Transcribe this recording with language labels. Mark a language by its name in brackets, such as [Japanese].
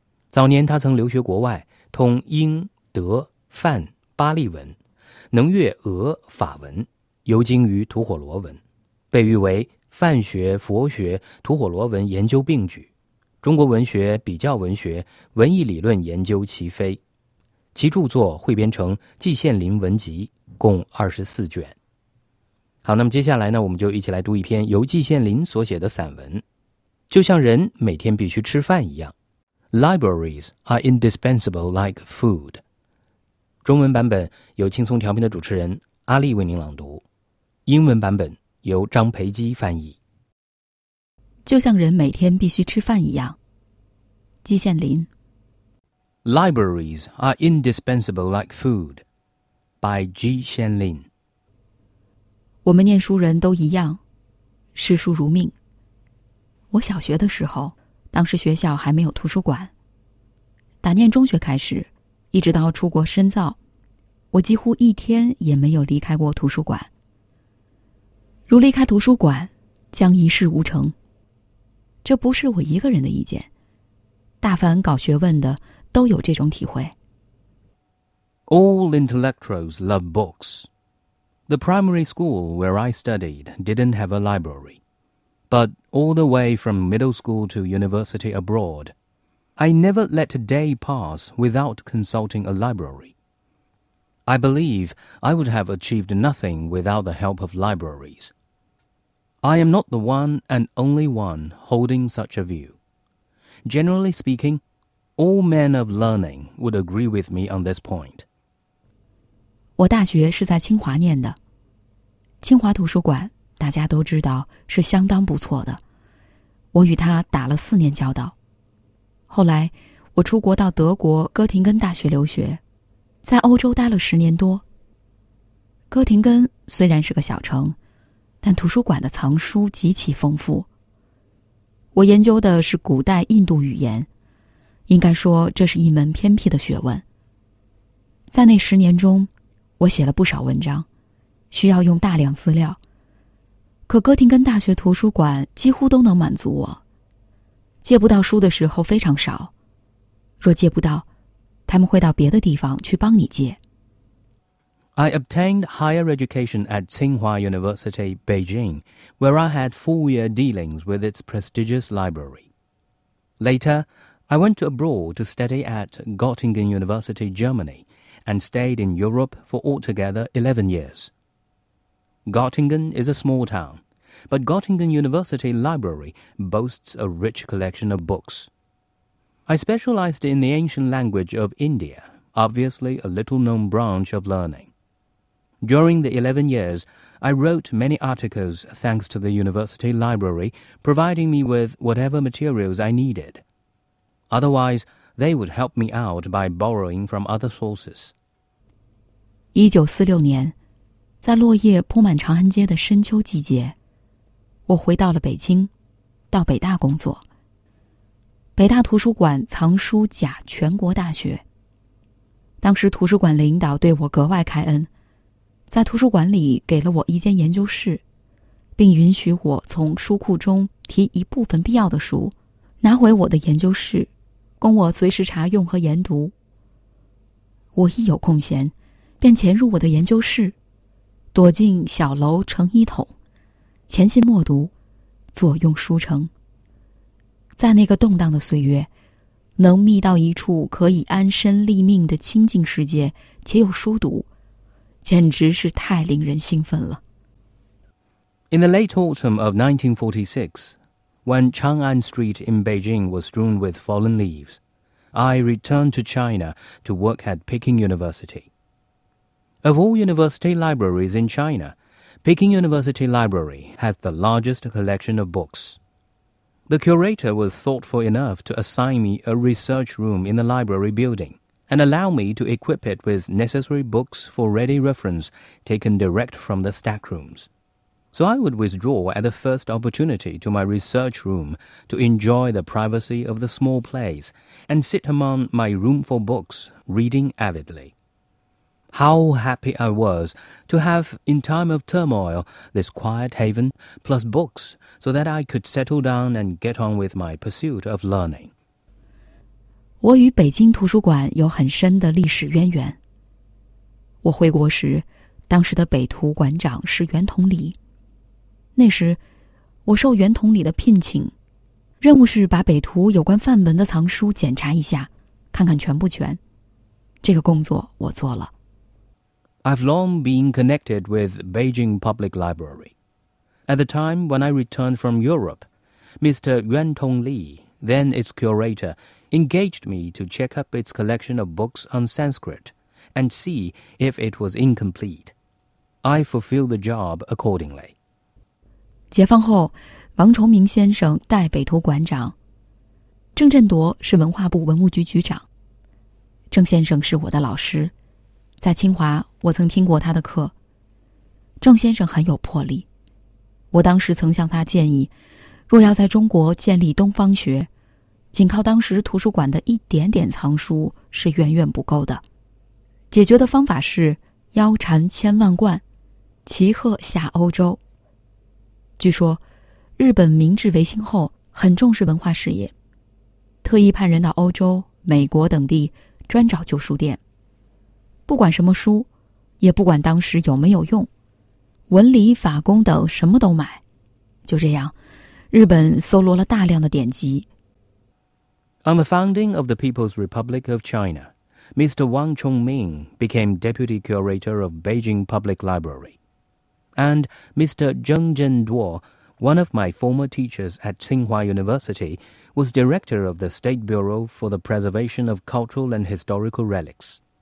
[Chinese] 早年他曾留学国外，通英、德、梵、巴利文，能阅俄、法文，尤精于吐火罗文，被誉为梵学、佛学、吐火罗文研究并举，中国文学、比较文学、文艺理论研究齐飞。其著作汇编成《季羡林文集》，共24卷。好，那么接下来呢，我们就一起来读一篇由季羡林所写的散文，《就像人每天必须吃饭一样》。 [English] Libraries are indispensable like food. [Chinese] 中文版本由轻松调频的主持人阿丽为您朗读，英文版本由张培基翻译。就像人每天必须吃饭一样，季羡林。 [English] Libraries are indispensable like food, by Ji Xianlin. [Chinese] 我们念书人都一样，视书如命。我小学的时候，当时学校还没有图书馆。打念中学开始，一直到出国深造，我几乎一天也没有离开过图书馆。如离开图书馆，将一事无成。这不是我一个人的意见，大凡搞学问的都有这种体会。 [English] All intellectuals love books. The primary school where I studied didn't have a library. But all the way from middle school to university abroad, I never let a day pass without consulting a library. I believe I would have achieved nothing without the help of libraries. I am not the one and only one holding such a view. Generally speaking,All men of learning would agree with me on this point. [Chinese] 我大学是在清华念的。清华图书馆大家都知道是相当不错的。我与他打了4年交道。后来我出国到德国哥廷根大学留学，在欧洲待了10年多。哥廷根虽然是个小城，但图书馆的藏书极其丰富。我研究的是古代印度语言，应该说这是一门偏僻的学问。在那10年中，我写了不少文章，需要用大量资料，可哥廷根大学图书馆几乎都能满足我。借不到书的时候非常少，若借不到，他们会到别的地方去帮你借。 [English] I obtained higher education at Tsinghua University, Beijing, where I had four-year dealings with its prestigious library. Later,I went abroad to study at Göttingen University, Germany, and stayed in Europe for altogether 11 years. Göttingen is a small town, but Göttingen University Library boasts a rich collection of books. I specialized in the ancient language of India, obviously a little-known branch of learning. During the 11 years, I wrote many articles thanks to the university library providing me with whatever materials I needed. Otherwise, they would help me out by borrowing from other sources. [Chinese] 1946年，在落叶铺满长安街的深秋季节，我回到了北京，到北大工作。北大图书馆藏书甲全国大学。当时图书馆领导对我格外开恩，在图书馆里给了我一间研究室，并允许我从书库中提一部分必要的书，拿回我的研究室，供我随时查用和研读。我一有空闲，便潜入我的研究室，躲进小楼成一统，潜心默读，左用书成。在那个动荡的岁月，能觅到一处可以安身立命的清静世界，且有书读，简直是太令人兴奋了。 [English] In the late autumn of 1946, when Chang'an Street in Beijing was strewn with fallen leaves, I returned to China to work at Peking University. Of all university libraries in China, Peking University Library has the largest collection of books. The curator was thoughtful enough to assign me a research room in the library building and allow me to equip it with necessary books for ready reference taken direct from the stack rooms. So I would withdraw at the first opportunity to my research room to enjoy the privacy of the small place and sit among my roomful books reading avidly. How happy I was to have, in time of turmoil, this quiet haven plus books,so that I could settle down and get on with my pursuit of learning. [Chinese] 我与北京图书馆有很深的历史渊源。我回国时，当时的北图馆长是袁同礼。那时，我受袁同礼的聘请，任务是把北图有关范文的藏书检查一下，看看全不全。这个工作我做了。 [English] I've long been connected with Beijing Public Library. At the time when I returned from Europe, Mr. Yuan Tongli, then its curator, engaged me to check up its collection of books on Sanskrit and see if it was incomplete. I fulfilled the job accordingly. [Chinese] 解放后，王崇明先生代北图馆长，郑振铎是文化部文物局局长。郑先生是我的老师，在清华我曾听过他的课。郑先生很有魄力。我当时曾向他建议，若要在中国建立东方学，仅靠当时图书馆的一点点藏书是远远不够的。解决的方法是腰缠千万贯，骑鹤下欧洲。据说，日本明治维新后很重视文化事业，特意派人到欧洲、美国等地专找旧书店。不管什么书，也不管当时有没有用。文理法工等什么都买，就这样，日本搜罗了大量的典籍。 [English] On the founding of the People's Republic of China, Mr. Wang Chongming became deputy curator of Beijing Public Library, and Mr. Zheng Zhenduo, one of my former teachers at Tsinghua University, was director of the State Bureau for the Preservation of Cultural and Historical Relics.